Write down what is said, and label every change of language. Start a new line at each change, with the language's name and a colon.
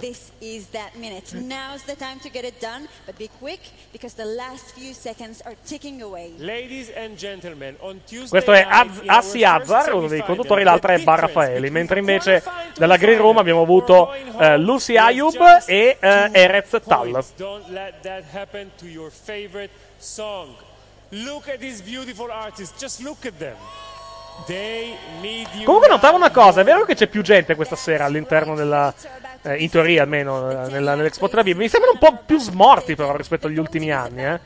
English: Now's the time to get it done, but be quick because the last few seconds are ticking away. Ladies and gentlemen, on Tuesday.
Italian: Questo è Assi Azar, uno dei conduttori, l'altra è Barrafaeli. Mentre invece dalla Green Room abbiamo avuto Lucy Ayub e Erez Tal.
English: Don't let that happen to your favorite song. Look at these beautiful artists. Just look at them. They need you.
Italian: Comunque notavo una cosa, è vero che c'è più gente questa sera all'interno della in teoria almeno nell'Expo Tel Aviv. Mi sembrano un po' più smorti però rispetto agli ultimi anni, eh.